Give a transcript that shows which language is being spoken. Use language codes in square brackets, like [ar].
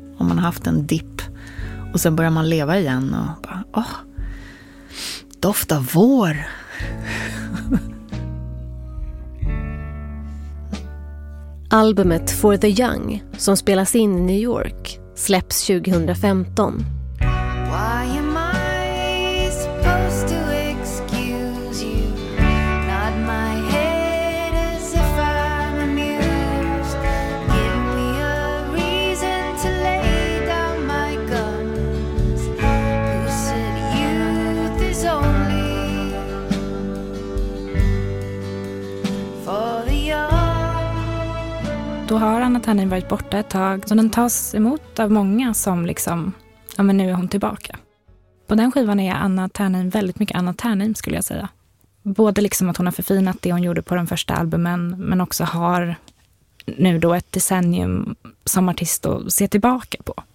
[sv] Om man har haft en dipp och sen börjar man leva igen och bara, åh, dofta vår. Albumet For the Young, som spelas in i New York, släpps 2015. [en] Why am I supposed to excuse you? Not my head as if I'm amused. Give me a reason to lay down my guns. Who said youth is only for the young? [sv] Då hör han att han har varit borta ett tag. Så den tas emot av många som liksom, ja men nu är hon tillbaka. På den skivan är Anna Ternheim väldigt mycket Anna Ternheim, skulle jag säga. Både liksom att hon har förfinat det hon gjorde på den första albumen. Men också har nu då ett decennium som artist att se tillbaka på.